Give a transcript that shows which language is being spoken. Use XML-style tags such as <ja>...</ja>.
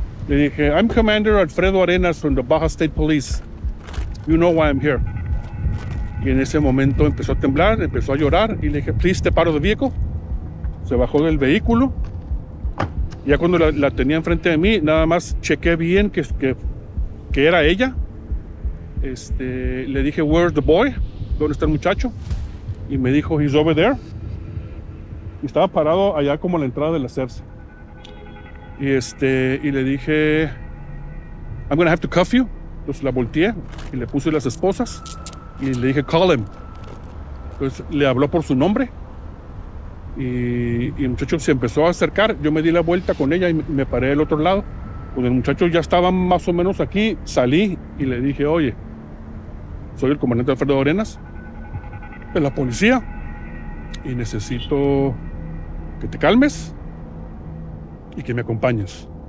<es>Le dije,</es> <en>I'm Commander Alfredo Arenas from the Baja State Police. You know why I'm here.</en> <es>Y en ese momento empezó a temblar, empezó a llorar y le dije, please, te paro de viejo. Se bajó del vehículo. Ya cuando la tenía enfrente de mí, nada más chequé bien que era ella. Le dije,</es> <en>where's the boy?</en> <es>¿Dónde está el muchacho? Y me dijo,</es> <en>he's over there.</en> <es>Y estaba parado allá como a la entrada de la CERS. Y le dije,</es> <en>I'm gonna have to cuff you.</en> <es>Entonces la volteé y le puse las esposas y le dije,</es> <en>call him.</en> <es>Entonces le habló por su nombre y el muchacho se empezó a acercar. Yo me di la vuelta con ella y me paré del otro lado. Cuando el muchacho ya estaba más o menos aquí, salí y le dije, oye, soy el comandante Alfredo Arenas de la policía y necesito que te calmes y que me acompañes.</es>